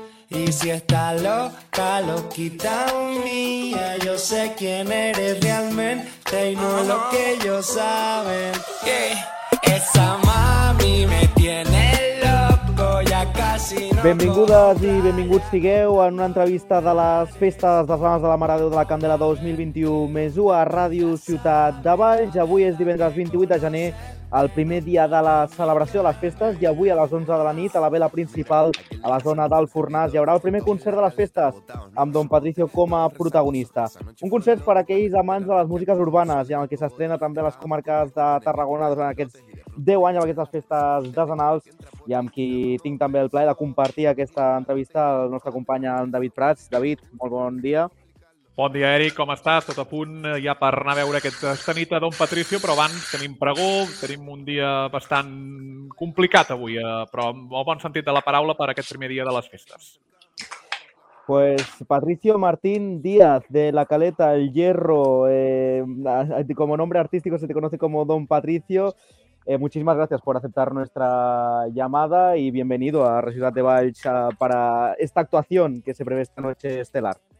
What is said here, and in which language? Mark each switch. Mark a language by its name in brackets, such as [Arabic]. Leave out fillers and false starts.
[Spanish] Y si está loca, loquita mía, yo sé quién eres realmente y no lo que ellos saben. ¿Qué? Esa mami me tiene loco, ya casi no... [Catalan] Benvingudes i benvinguts sigueu en una entrevista de les festes dels Homes de la Mare de Déu de la Candela 2021 més 1 a Ràdio Ciutat de Valls. Avui és divendres 28 de gener, el primer dia de la celebració de les festes, i avui a les 11 de la nit, a la vela principal, a la zona del Fornàs, hi haurà el primer concert de les festes amb Don Patricio com a protagonista. Un concert per a aquells amants de les músiques urbanes i en el que s'estrena també les comarques de Tarragona durant aquests 10 anys amb aquestes festes decenals, i amb qui tinc també el plaer de compartir aquesta entrevista, el nostre company David Prats. David, molt bon dia. Bon dia, Eric. Com estàs? Tot a punt ja per anar a veure aquesta nit a Don Patricio, però abans tenim pregó, tenim un dia bastant complicat avui, però amb el bon sentit de la paraula per aquest primer dia de les festes. [Spanish] Pues Patricio Martín Díaz, de La Caleta, El Hierro, como nombre artístico se te conoce como Don Patricio. Muchísimas gracias por aceptar nuestra llamada y bienvenido a Radio Ciutat de Valls para esta actuación que se prevé esta noche estelar.